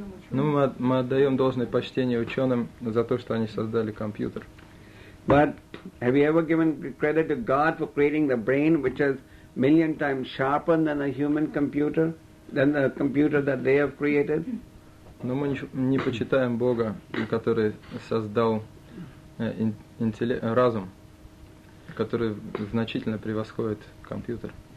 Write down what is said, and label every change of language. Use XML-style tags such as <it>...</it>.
<ru>Мы отдаем должное почтение ученым за то, что они создали компьютер.</ru> <en>But have you ever given credit to God for creating the brain, which is million times sharper than a human computer, than the computer that they have created?</en> <ru>Но мы не почитаем Бога, который создал разум, который значительно превосходит компьютер.</ru>